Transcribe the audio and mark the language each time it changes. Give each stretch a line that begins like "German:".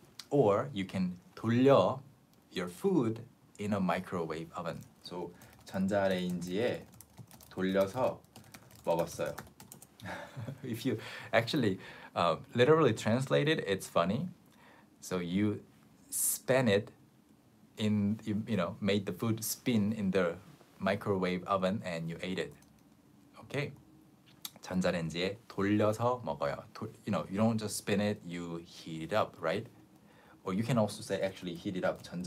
English: Or you can
Korean: 돌려
English: your food in a microwave oven. So
Korean: 전자레인지에 돌려서 먹었어요.
English: If you actually literally translate it, it's funny. So you spin it in, you know, made the food spin in the microwave oven and you ate it. Okay.
Korean: 전자레인지에 돌려서 먹어요.
English: You know, you don't just spin it, you heat it up, right? Or you can also say actually heat it up.